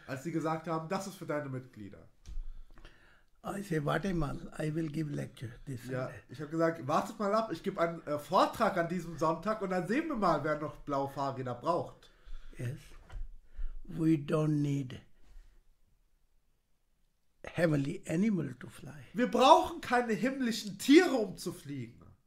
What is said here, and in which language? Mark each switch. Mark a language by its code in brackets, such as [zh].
[de] Als sie gesagt haben, das ist für deine Mitglieder. [en] I say, [de] warte mal, [en] I will give lecture this Sunday. [de] Ja, ich habe gesagt, wartet mal ab, ich gebe einen Vortrag an diesem Sonntag und dann sehen wir mal, wer noch blaue Fahrräder braucht. [en] Yes. We don't need heavenly animal to fly. [de] Wir brauchen keine himmlischen Tiere, um zu fliegen.